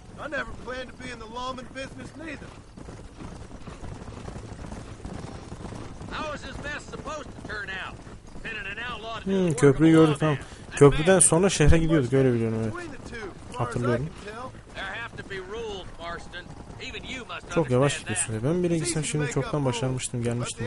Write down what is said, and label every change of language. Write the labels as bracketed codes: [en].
[en] I never planned to be in the lawman business neither. How is this mess supposed to turn out? Been an outlaw to [tr] do. Köprüyü gördük tam. Köprüden sonra şehre gidiyorduk, öyle biliyorum, evet. Hatırlıyorum. [en] There have to be rules, Marston. Even you must understand. [tr] Çok yavaş gidiyorsun. Ben bile gitsem şimdi çoktan başarmıştım, gelmiştim.